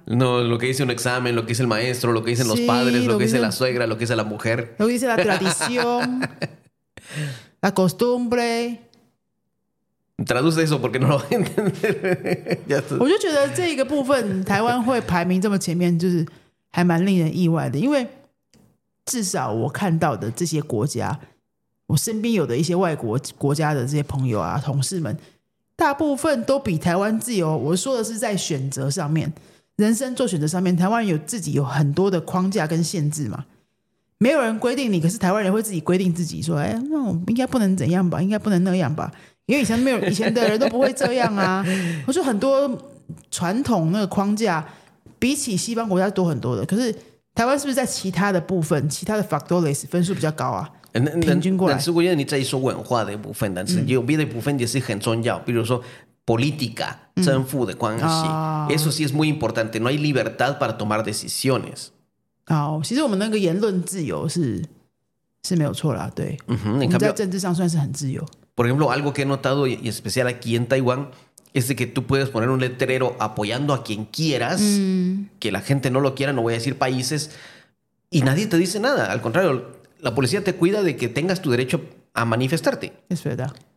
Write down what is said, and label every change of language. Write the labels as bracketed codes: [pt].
[es] No, lo que dice un examen, lo que dice el maestro, lo que dicen los padres, lo que dice la suegra, lo que dice la mujer. Lo que dice la tradición, la costumbre. Traduce eso porque no lo voy a entender. [zh] 我就觉得这个部分台湾会排名这么前面就是还蛮令人意外的因为至少我看到的这些国家我身边有的一些外国国家的这些朋友啊同事们大部分都比台湾自由我说的是在选择上面人生做选择上面台湾有自己有很多的框架跟限制嘛没有人规定你可是台湾人会自己规定自己说哎，那我应该不能怎样吧应该不能那样吧因为以前的人都不会这样啊我说很多传统那个框架比起西方国家多很多的可是台湾是不是在其他的部分其他的 factores 分数比较高啊但是我觉得你在说文化的部分但是有别的部分也是很重要比如说 política 政府的关系、 [es] eso sí es muy importante no hay libertad para tomar decisiones、 [zh] 其实我们那个言论自由 是没有错啦对、 [es] en cambio, [zh] 我们在政治上算是很自由 [es] por ejemplo algo que he notado y especial aquí en Taiwán es de que tú puedes poner un letrero apoyando a quien quieras、que la gente no lo quiera no voy a decir países y nadie te dice nada al contrario La policía te cuida de que tengas tu derecho a manifestarte. Es verdad.